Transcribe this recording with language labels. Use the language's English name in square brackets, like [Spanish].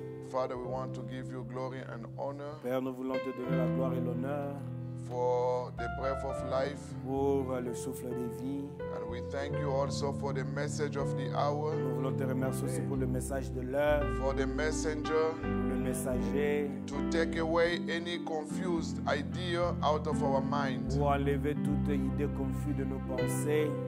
[English] Father, we want to give you glory and honor. [French] Père, nous voulons te donner la gloire et l'honneur. [English] For the breath of life. [French] Pour le souffle de vie. [English] And we thank you also for the message of the hour. [French] Nous voulons te remercier aussi pour le message de l'heure. [English] For the messenger. [French] Le messager. [English] To take away any confused idea out of our mind. [French] Pour enlever toute idée confuse de nos pensées.